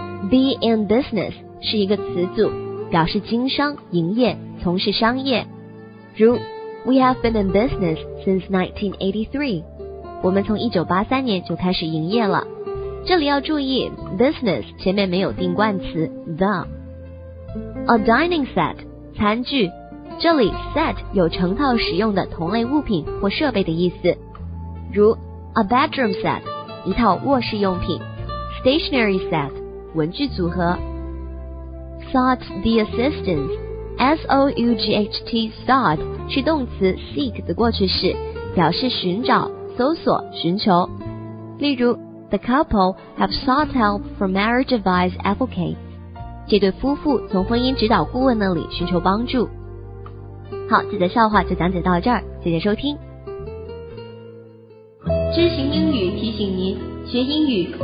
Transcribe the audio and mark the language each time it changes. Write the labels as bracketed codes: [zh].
[en] Be in business [zh] 是一个词组，表示经商、营业、从事商业。 [en] 如 We have been in business since 1983， [zh] 我们从1983年就开始营业了。这里要注意 business 前面没有定冠词 the a dining set 餐具，这里 set 有成套使用的同类物品或设备的意思，如 a bedroom set 一套卧室用品， stationery set 文具组合。 sought the assistance S-O-U-G-H-T sought 是动词 seek 的过去式，表示寻找、搜索、寻求。例如 [en] The couple have sought help from marriage advice advocates. [zh] 这对夫妇从婚姻指导顾问那里寻求帮助。好，这则笑话就讲解到这儿，谢谢收听。知行英语提醒您，学英语